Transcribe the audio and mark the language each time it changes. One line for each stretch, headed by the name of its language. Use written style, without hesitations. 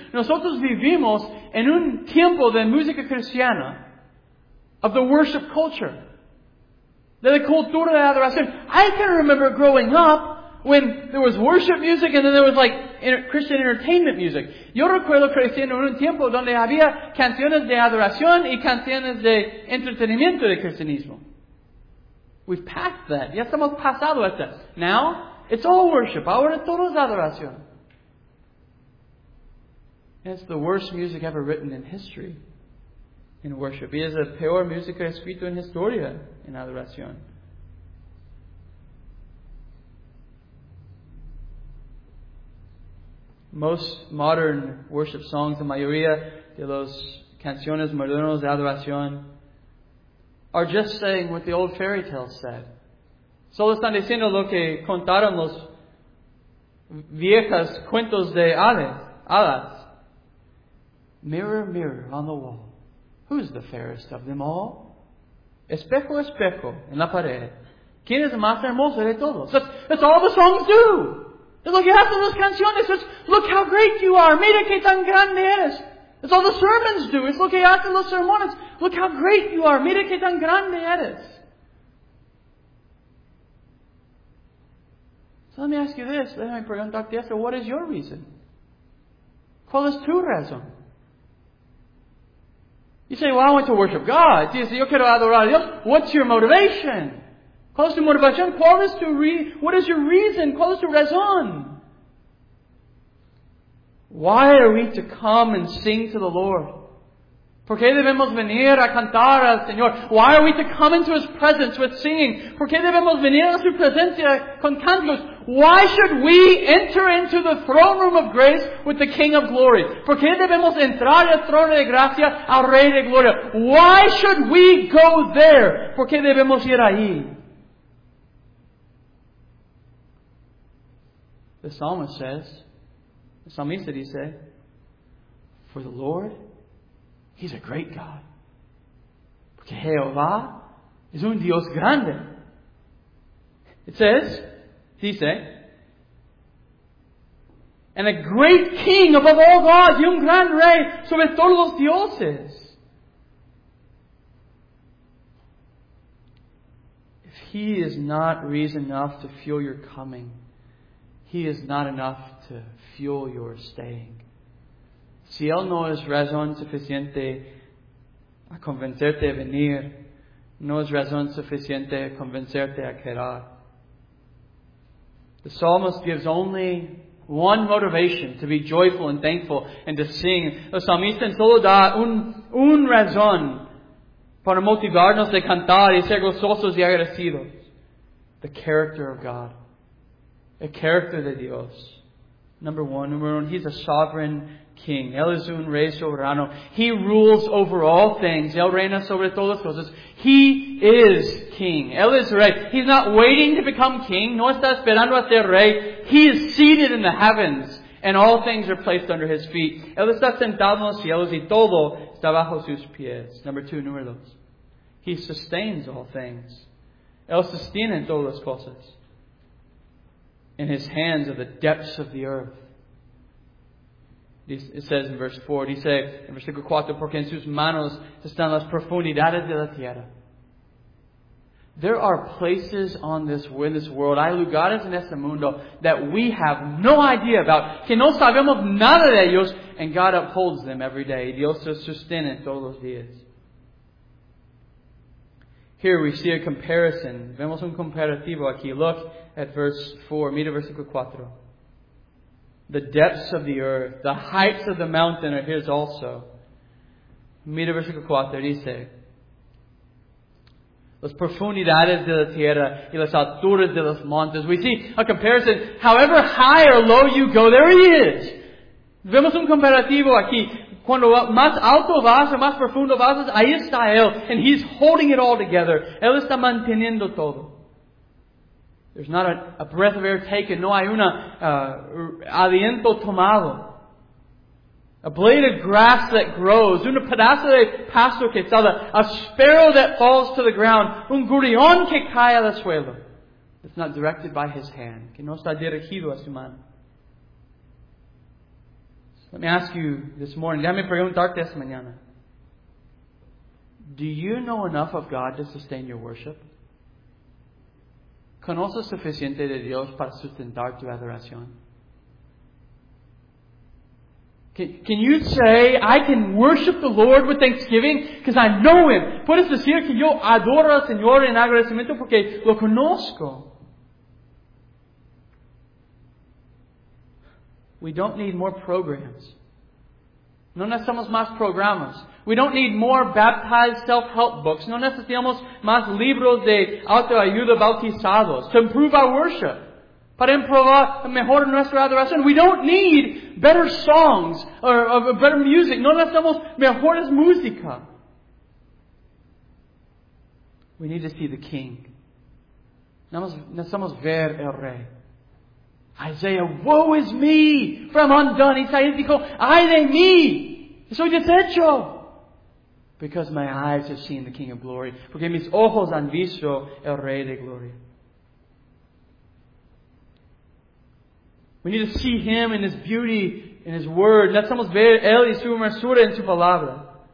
Spanish: Nosotros vivimos en un tiempo de música cristiana.
English: Of the worship culture.
Spanish: De la cultura de adoración.
English: I can remember growing up when there was worship music and then there was like Christian entertainment music.
Spanish: Yo recuerdo creciendo en un tiempo donde había canciones de adoración y canciones de entretenimiento de cristianismo.
English: We've passed that.
Spanish: Ya estamos pasado esto.
English: Now, it's all worship.
Spanish: Ahora todo es adoración.
English: It's the worst music ever written in history. In worship.
Spanish: Es la peor música escrita en historia en adoración.
English: Most modern worship songs,
Spanish: la mayoría de las canciones modernas de adoración,
English: are just saying what the old fairy tale said.
Spanish: Solo están diciendo lo que contaron los viejas cuentos de hadas.
English: Mirror, mirror on the wall. Who's the fairest of them all?
Spanish: Espejo, espejo, en la pared. ¿Quién es más hermoso de todos?
English: That's all the songs do.
Spanish: Es lo que hacen las canciones.
English: It's, look how great you are.
Spanish: Mira que tan grande eres.
English: It's all the sermons do.
Spanish: It's lo que hacen los sermones.
English: Look how great you are.
Spanish: Mira que tan grande eres.
English: So let me ask you this. Let me
Spanish: preguntarte esto.
English: What is your reason?
Spanish: ¿Cuál es tu razón?
English: You say, well, I want to worship God.
Spanish: Dice, yo quiero adorar a Dios.
English: What's your motivation?
Spanish: ¿Cuál es tu motivación?
English: What is your reason?
Spanish: ¿Cuál es tu razón?
English: Why are we to come and sing to the Lord?
Spanish: ¿Por qué debemos venir a cantar al Señor?
English: Why are we to come into His presence with singing?
Spanish: ¿Por qué debemos venir a su presencia con cantos?
English: Why should we enter into the throne room of grace with the King of Glory?
Spanish: ¿Por qué debemos entrar al trono de gracia al Rey de Gloria?
English: Why should we go there?
Spanish: ¿Por qué debemos ir ahí?
English: The psalmist says, the psalmist said, he said, for the Lord, He's a great God.
Spanish: Porque Jehová es un Dios grande.
English: It says, he said, and a great king above all gods,
Spanish: y un gran rey sobre todos los dioses.
English: If He is not reason enough to fuel your coming, He is not enough to fuel your staying.
Spanish: Si Él no es razón suficiente a convencerte a venir, no es razón suficiente a convencerte a quedar.
English: The psalmist gives only one motivation to be joyful and thankful and to sing.
Spanish: The psalmist solo da un razón para motivarnos de cantar y ser gozosos y agradecidos.
English: The character of God.
Spanish: El carácter de Dios.
English: Number one, He's a sovereign king.
Spanish: Él es un rey soberano.
English: He rules over all things.
Spanish: Él reina sobre todas las cosas.
English: He is king.
Spanish: Él es rey.
English: He's not waiting to become king.
Spanish: No está esperando a ser rey.
English: He is seated in the heavens, and all things are placed under His feet.
Spanish: Él está sentado en los cielos, y todo está bajo sus pies.
English: Number two. He sustains all things.
Spanish: Él sostiene todas las cosas.
English: In His hands are the depths of the earth. It says in verse 4, he says in
Spanish: versículo 4, porque en sus manos están las profundidades de la tierra.
English: There are places in this world,
Spanish: hay lugares en este mundo
English: that we have no idea about,
Spanish: que no sabemos nada de ellos,
English: and God upholds them every day.
Spanish: Dios los sostiene todos los días.
English: Here we see a comparison.
Spanish: Vemos un comparativo aquí.
English: Look at verse 4.
Spanish: Mira versículo 4.
English: The depths of the earth, the heights of the mountain are His also.
Spanish: Mira versículo 4. Dice, las profundidades de la tierra y las alturas de los montes.
English: We see a comparison. However high or low you go, there He is.
Spanish: Vemos un comparativo aquí. Cuando más alto vas, más profundo vas, ahí está Él.
English: And He's holding it all together.
Spanish: Él está manteniendo todo.
English: There's not a breath of air taken.
Spanish: No hay un aliento tomado.
English: A blade of grass that grows.
Spanish: Un pedazo de pasto que sale.
English: A sparrow that falls to the ground.
Spanish: Un gurión que cae al suelo.
English: It's not directed by His hand.
Spanish: Que no está dirigido a su mano.
English: Let me ask you this morning.
Spanish: Déjame preguntarte esta mañana.
English: Do you know enough of God to sustain your worship?
Spanish: ¿Conoces suficiente de Dios para sustentar tu adoración?
English: Can you say, I can worship the Lord with thanksgiving because I know Him?
Spanish: Puedes decir que yo adoro al Señor en agradecimiento porque lo conozco.
English: We don't need more programs.
Spanish: No necesitamos más programas.
English: We don't need more baptized self-help books.
Spanish: No necesitamos más libros de autoayuda bautizados
English: to improve our worship.
Spanish: Para improvar mejor nuestra adoración.
English: We don't need better songs or better music.
Spanish: No necesitamos mejores música.
English: We need to see the King.
Spanish: Necesitamos ver el Rey.
English: Isaiah, woe is me, for I'm undone.
Spanish: Isaías dijo, ay de mí, soy deshecho.
English: Because my eyes have seen the King of Glory.
Spanish: Porque mis ojos han visto el Rey de Gloria.
English: We need to see Him in His beauty, in His Word.
Spanish: Necesitamos ver Él y su hermosura en su palabra.